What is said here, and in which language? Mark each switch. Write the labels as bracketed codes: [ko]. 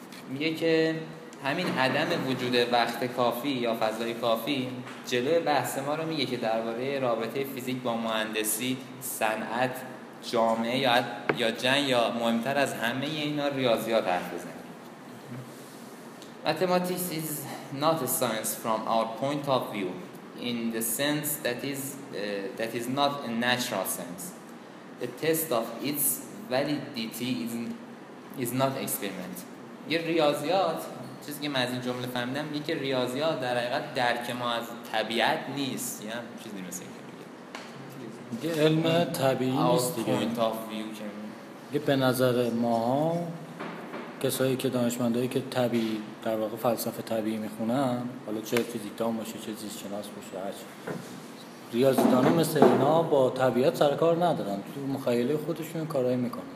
[fa] میگه که همین عدم وجود وقت کافی یا فضای کافی جلوی بحث ما رو میگه که درباره رابطه فیزیک با مهندسی، صنعت، جامعه یا جنگ یا مهمتر از همه اینا ریاضیات حرف بزنیم. [en] Mathematics is not a science from our point of view in the sense that is not a natural science. The test of its validity is not experiment. [fa] یه ریاضیات چیزی که من از این جمله فهمیدم اینه که ریاضیات در حقیقت درک ما از طبیعت نیست، یا چیزی مثل این که میگه یه علم طبیعی نیست دیگه. [en] point of view که [fa] میگه به نظر ما ها کسایی که دانشمندهایی که طبیعی در واقع فلسفه طبیعی میخونن، حالا چه فیزیکدان باشه چه زیستشناس باشه هرچی، ریاضیدان ها مثل اینا با طبیعت سرکار ندارن، تو مخیله خودشون کارهایی میکنن.